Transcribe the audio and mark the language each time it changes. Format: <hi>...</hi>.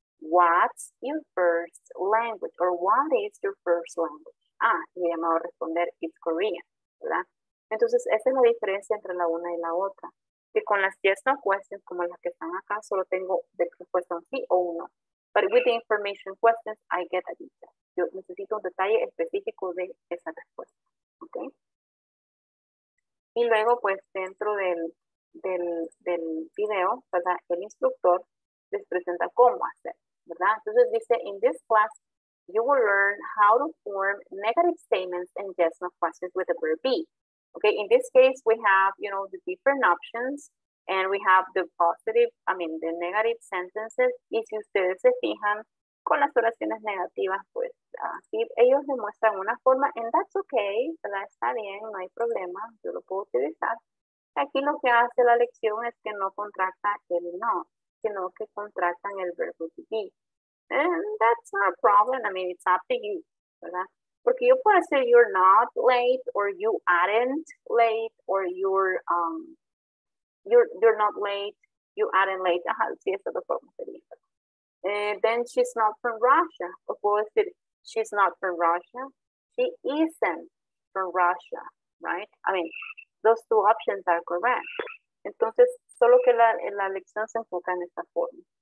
<en>What's your first language? Or what is your first language?</en> <es>Ah, y ella me va a responder,</es> <en>it's Korean,</en> <es>¿verdad? Entonces, esa es la diferencia entre la una y la otra. Que con las yes no questions, como las que están acá, solo tengo de respuesta un sí o un no.</es> <en>But with the information questions, I get a detail.</en> <es>Yo necesito un detalle específico de esa respuesta, ¿ok? Y luego, pues, dentro del video, ¿verdad? El instructor les presenta cómo hacer, ¿verdad? Entonces dice,</es> <en>in this class, you will learn how to form negative statements and yes no questions with the verb be. Okay, in this case, we have, you know, the different options, and we have the negative sentences,</en> <es>y si ustedes se fijan, con las oraciones negativas, pues así ellos demuestran una forma,</es> <en>and that's okay,</en> <es>¿verdad? Está bien, no hay problema, yo lo puedo utilizar. Aquí lo que hace la lección es que no contracta el no, sino que contractan el verbo to be.</es> <en>And that's not a problem, I mean, it's up to you, ¿verdad?</en> <es>Porque yo puedo decir</es> <en>you're not late, or you aren't late, or you're not late, you aren't late.</en> <es>Ajá, sí, esa es la forma de decirlo.</es> <en>Then she's not from Russia.</en> <es>O puedo decir,</es> <en>she's not from Russia. She isn't from Russia, right? I mean, those two options are correct.</en> <es>Entonces, solo que la lección se enfoca en esta forma.</es>